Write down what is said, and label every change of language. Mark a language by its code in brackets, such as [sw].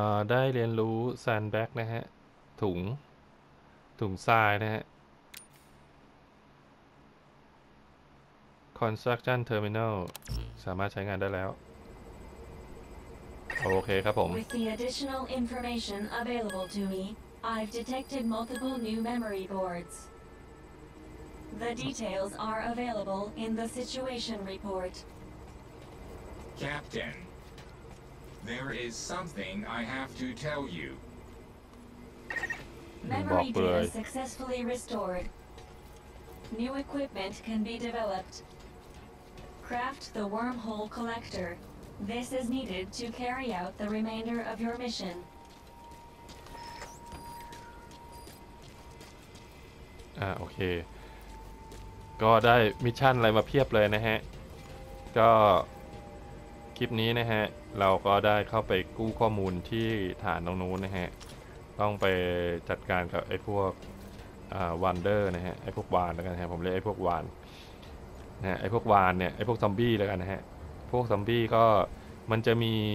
[th] ได้เรียนรู้แซนแบ็กนะฮะถุงทรายนะฮะ Construction Terminal สามารถใช้งานได้แล้วโอเคครับผม [en] With the additional information available to me, I've detected multiple new memory boards. The details are available in the situation report. Captain, there is something I have to tell you. Memory data successfully restored. New equipment can be developed. Craft the wormhole collector. This is needed to carry out the remainder of your mission. [th] โอเคก็ได้มิชชั่นอะไรมาเพียบเลยนะฮะก็คลิปนี้นะฮะเราก็ได้เข้าไปกู้ข้อมูลที่ฐานตรงนู้นนะฮะต้องไปจัดการกับไอ้พวกวันเดอร์นะฮะไอ้พวกวานแล้วกันฮะผมเรียกไอ้พวกวานนะไอ้พวกวานเนี่ยไอ้พวกซอมบี้แล้วกันนะฮะพวกซอมบี้ก็มันจะมี